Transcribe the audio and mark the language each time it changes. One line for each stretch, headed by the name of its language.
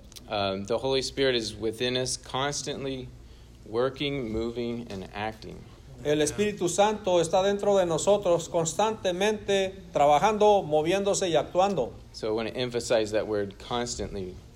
English: The Holy Spirit is within us constantly working, moving, and acting.
Spanish: El Espíritu Santo está dentro de nosotros constantemente trabajando, moviéndose y actuando.
English: So I want to emphasize that word constantly.